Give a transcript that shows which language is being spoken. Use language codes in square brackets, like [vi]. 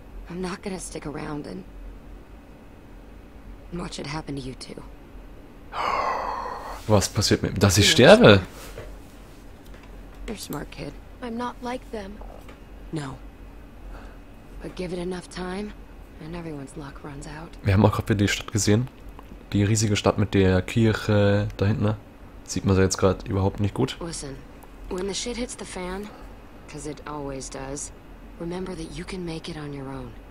[en] I'm not gonna stick around and watch it happen to you too. [de] Was passiert mit, dass ich sterbe? [en] You're smart kid. I'm not like them. No. But give it enough time, and everyone's luck runs out. [de] Wir haben auch gerade wieder die Stadt gesehen. Die riesige Stadt mit der Kirche da hinten. Sieht man sie jetzt gerade überhaupt nicht gut. [en] Listen, when the shit hits the fan, because it always does, remember that you can make it on your own.